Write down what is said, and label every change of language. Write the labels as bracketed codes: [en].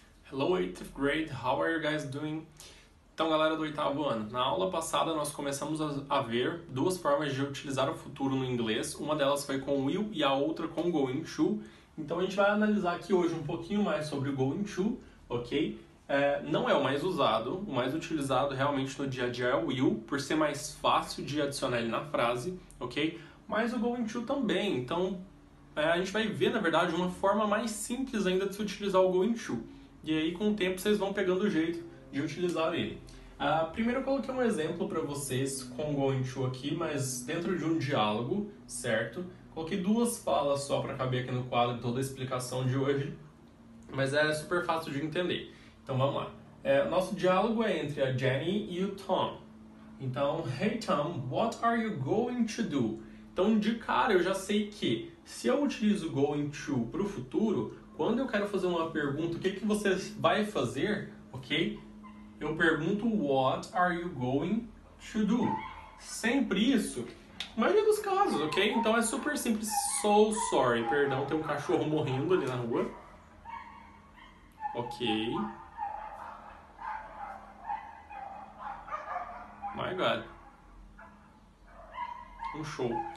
[en] Hello, 8th grade, how are you guys doing? [pt] Então, galera do oitavo ano, na aula passada nós começamos a ver duas formas de utilizar o futuro no inglês. Uma delas foi com will e a outra com going to. Então, a gente vai analisar aqui hoje um pouquinho mais sobre o going to, ok? É, não é o mais usado, o mais utilizado realmente no dia a dia é o will, por ser mais fácil de adicionar ele na frase, ok? Mas o going to também, então a gente vai ver, na verdade, uma forma mais simples ainda de se utilizar o going to. E aí, com o tempo, vocês vão pegando o jeito de utilizar ele. Primeiro eu coloquei um exemplo para vocês com going to aqui, mas dentro de um diálogo, certo? Coloquei duas falas só para caber aqui no quadro toda a explicação de hoje, mas é super fácil de entender. Então vamos lá. Nosso diálogo é entre a Jenny e o Tom. [en] Então, hey Tom, what are you going to do? [pt] Então, de cara, eu já sei que se eu utilizo going to para o futuro, quando eu quero fazer uma pergunta, o que que você vai fazer, ok? Eu pergunto, [en] what are you going to do? [pt] Sempre isso, na maioria dos casos, ok? Então é super simples. [en] So sorry, [pt] perdão, tem um cachorro morrendo ali na rua. Ok. [en] My God. [pt] Um show.